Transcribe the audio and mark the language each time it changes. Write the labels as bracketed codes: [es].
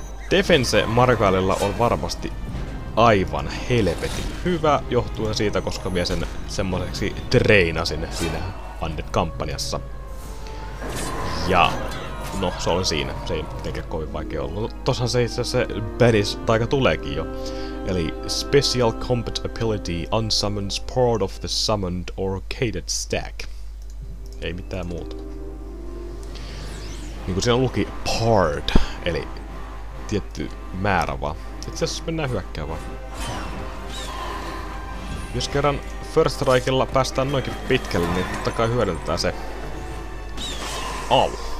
[fi] Defense Margailella on varmasti aivan helvetin hyvä johtuen siitä, koska mä sen semmoiseksi treinasin siinä Undead-kampanjassa. Ja no, se oli siinä. Se ei mitenkään kovin vaikea ollut. Tossahan se itse asiassa Banish taika tuleekin jo. Eli [en] Special Combat Ability Unsummons Part of the Summoned or Cated Stack. [fi] Ei mitään muuta. Niinku siinä luki Part, eli tietty määrä vaan. Itse asiassa mennään hyökkää vaan. Jos kerran First Strikella päästään noinkin pitkälle, niin totta kai hyödyntää se. Au.